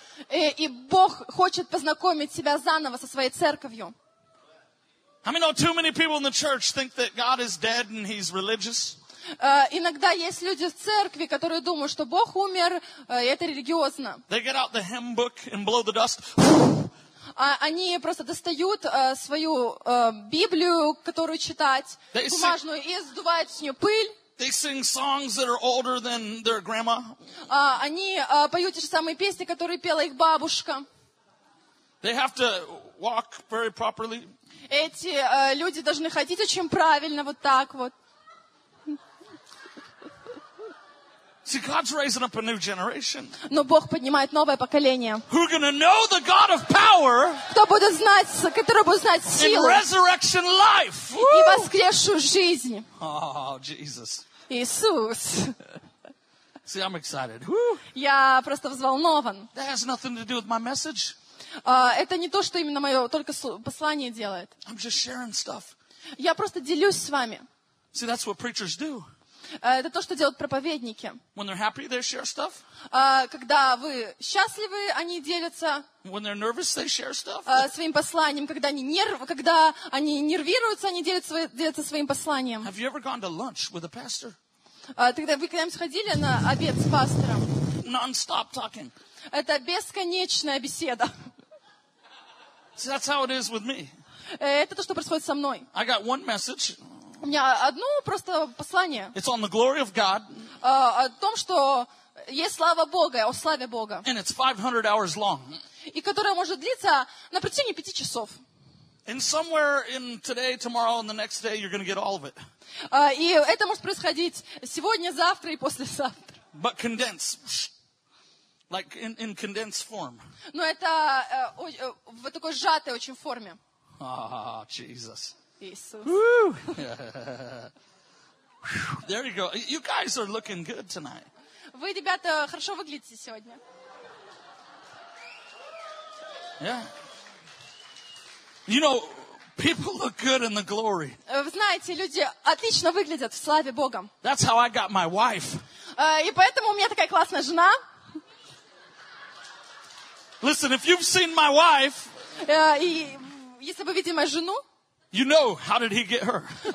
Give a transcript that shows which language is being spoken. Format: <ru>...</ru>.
<ru>И Бог хочет познакомить себя заново со своей церковью.</ru> <en>How many know too many people in the church think that God is dead and He's religious?</en> <ru>Иногда есть люди в церкви, которые думают, что Бог умер, и это религиозно.</ru> <en>They get out the hymn book and blow the dust.</en> <ru>Они просто достают свою Библию, которую читать, бумажную, и сдувают с нее пыль.</ru> <en>They sing songs that are older than their grandma.</en> <ru>Они поют те же самые песни, которые пела их бабушка.</ru> <en>They have to walk very properly.</en> <ru>Эти люди должны ходить очень правильно, вот так вот.</ru> <en>See, God's raising up a new generation.</en> <ru>Но Бог поднимает новое поколение.</ru> <en>Who gonna know the God of power?</en> <ru>Кто будет знать, который будет знать силу?</ru> <en>In resurrection life.</en> <ru>И воскресшую жизнь.</ru> <en>Oh, Jesus.</en> <ru>Иисус.</ru> <en>See, I'm excited.</en> <ru>Я просто взволнован.</ru> <en>That has nothing to do with my message.</en> <ru>Это не то, что именно мое только послание делает.</ru> <en>I'm just sharing stuff.</en> <ru>Я просто делюсь с вами.</ru> <en>See, that's what preachers do.</en> <ru>Это то, что делают проповедники.</ru> <en>When they're happy, they share stuff.</en> <ru>Когда вы счастливы, они делятся</ru> <en>When they're nervous, they share stuff.</en> <ru>Своим посланием. Когда они, когда они нервируются, они делятся своим посланием.</ru> <en>Have you ever gone to lunch with a pastor?</en> <ru>Тогда вы когда-нибудь ходили на обед с пастором?</ru> <en>Non-stop talking.</en> <ru>Это бесконечная беседа.</ru> <en>See, that's how it is with me.</en> <ru>Это то, что происходит со мной.</ru> <en>I got one message.</en> <ru>У меня одно просто послание.</ru> <en>It's on the glory of God.</en> <ru>О том, что есть слава Бога, о славе Бога.</ru> <en>And it's 500 hours long.</en> <ru>И которое может длиться на протяжении 5 часов.</ru> <en>And somewhere in today, tomorrow, and the next day, you're going to get all of it.</en> <ru>И это может происходить сегодня, завтра и послезавтра.</ru> <en>But condensed. Like in condensed form.</en> <ru>Но это в такой сжатой очень форме.</ru> <en>Oh, Jesus. Woo! There you go. You guys are looking good tonight.</en> <ru>Вы, ребята, хорошо выглядите сегодня.</ru> <en>Yeah. You know, people look good in the glory.</en> <ru>Вы знаете, люди отлично выглядят в славе Бога.</ru> <en>That's how I got my wife.</en> <ru>И поэтому у меня такая классная жена.</ru> <en>Listen, if you've seen my wife.</en> <ru>И если вы видели мою жену.</ru> <en>You know, how did he get her?</en>